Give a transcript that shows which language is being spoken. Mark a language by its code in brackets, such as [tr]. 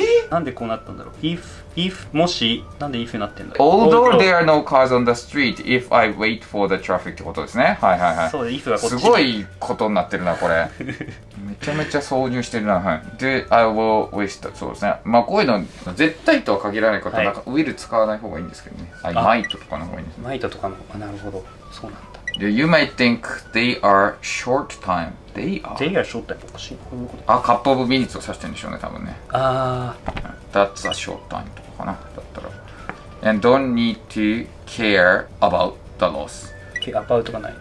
[ja] なんでこうなったんだろう。If もし、なんで If になってんだ。 [en] Although there are no cars on the street If I wait for the traffic [ja] ってことですね。はいはいはい、そうで、 If がこっちすごいことになってるな、これめちゃめちゃ挿入してるな、はい。で、 [en] I will waste、 [ja] そうですね、まあこういうの絶対とは限らないこと、はい、なんか Will 使わない方がいいんですけどね、 [en] I might [ja] とかの方がいいんです、 might とかの方が、なるほど、そうなんだ。 [en] で、 You might think they are short timeThey are short time、 [ja] おかしい、こういうこと、あ、カップオブミニッツを指してるんでしょうね、多分ね。あ、 [en] That's a short time [ja] とかかな、だったら。 [en] And don't need to care about the loss、 care about [ja] がない、